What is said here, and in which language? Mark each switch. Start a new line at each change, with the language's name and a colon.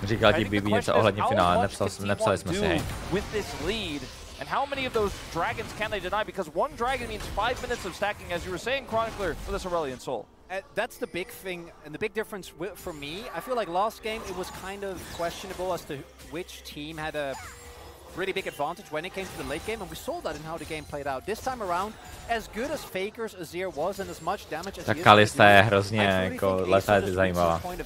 Czech: Říkal ti BB něco ohledně finále, nepsali jsme si, hej.
English: With this lead, and how many of those dragons can they deny? Because one dragon means 5 minutes of stacking, as you were saying, Chronicler, for this Aurelion Soul. That's the big thing, and the big difference for me. I feel like last game, it was kind of questionable as to which team had a really big advantage when it came to the late game, and we saw that in how the game played out. This time around, as good as Faker's Azir was and as much damage as
Czech: Kalista je hrozně jako letá je zajímavá.